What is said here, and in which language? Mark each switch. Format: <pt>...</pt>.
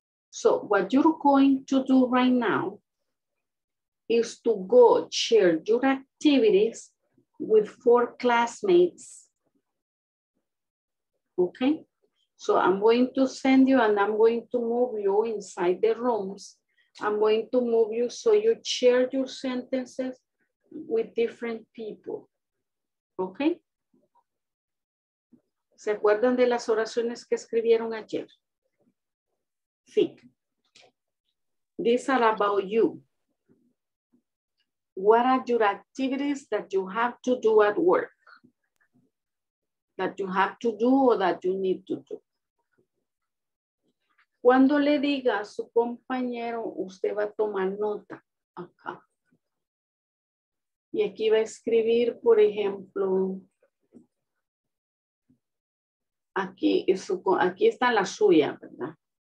<en>So what you're going to do right now is to go share your activities with 4 classmates, okay? So I'm going to send you and I'm going to move you inside the rooms. I'm going to move you so you share your sentences with different people, okay?</en> <es>¿Se acuerdan de las oraciones que escribieron ayer?</es> <en>Sí. These are about you. What are your activities that you have to do at work? That you have to do or that you need to do.</en> <es>Cuando le diga a su compañero, usted va a tomar nota acá. Y aquí va a escribir, por ejemplo, aquí está la suya, ¿verdad?</es>